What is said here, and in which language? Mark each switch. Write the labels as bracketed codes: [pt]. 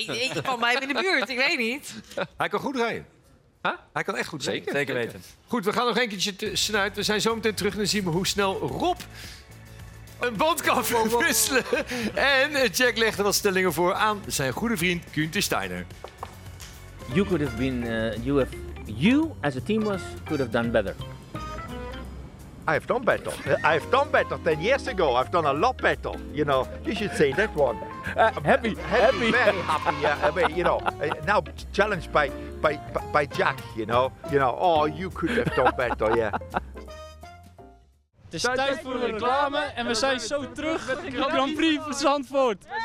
[nl] Ik kwam bij hem in de buurt, ik weet niet. Hij kan goed rijden. Huh? Hij kan echt goed rijden. Zeker weten. Goed, we gaan nog een keertje snuiten. We zijn zo meteen terug en dan zien we hoe snel Rob een band kan verwisselen. En Jack legde wat stellingen voor aan zijn goede vriend Günther Steiner. [en] You could have been, you as a team was, could have done better. I've done better. I've done better 10 years ago. I've done a lot better. You know, you should say that one. Happy. Very happy. You know, now challenged by Jack, you know. Oh, you could have done better, yeah. [nl] Het is tijd voor de reclame en we zijn zo terug met de Grand Prix van Zandvoort.